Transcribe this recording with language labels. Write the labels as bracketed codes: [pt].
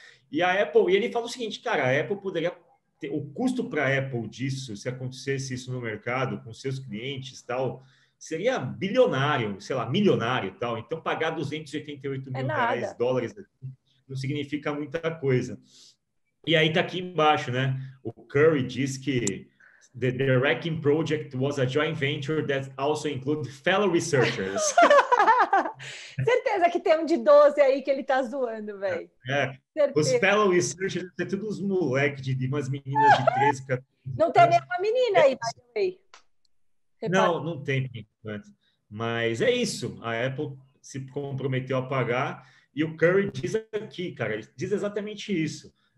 [pt] E a Apple, e ele fala o seguinte, cara, a Apple poderia ter, o custo para a Apple disso, se acontecesse isso no mercado, com seus clientes e tal, seria bilionário, sei lá, milionário e tal. Então, pagar $288 mil não significa muita coisa. E aí tá aqui embaixo, né? O Curry diz que [en] the wrecking project was a joint venture that also included fellow researchers. [pt] Certeza que tem um de 12 aí que ele tá zoando, velho. Os fellow researchers são todos uns moleques de umas meninas de 13, 14. Não tem nenhuma menina aí, [en] by the way. [pt] Não, não tem. Mas é isso. A Apple se comprometeu a pagar e o Curry diz aqui, cara, ele diz exatamente isso.